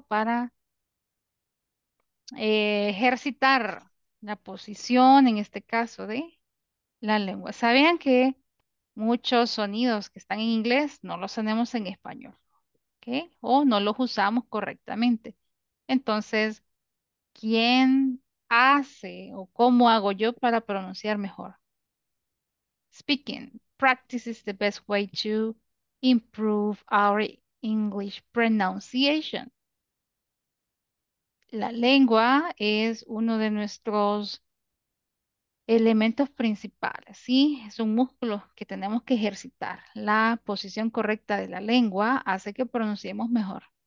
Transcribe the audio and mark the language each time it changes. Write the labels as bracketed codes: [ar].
[es] Para ejercitar la posición, en este caso, de la lengua. ¿Sabían que muchos sonidos que están en inglés no los tenemos en español, ¿okay? O no los usamos correctamente? Entonces, ¿quién hace o cómo hago yo para pronunciar mejor? [en] Speaking practice is the best way to improve our English pronunciation. [es] La lengua es uno de nuestros elementos principales, ¿sí? Es un músculo que tenemos que ejercitar. La posición correcta de la lengua hace que pronunciemos mejor.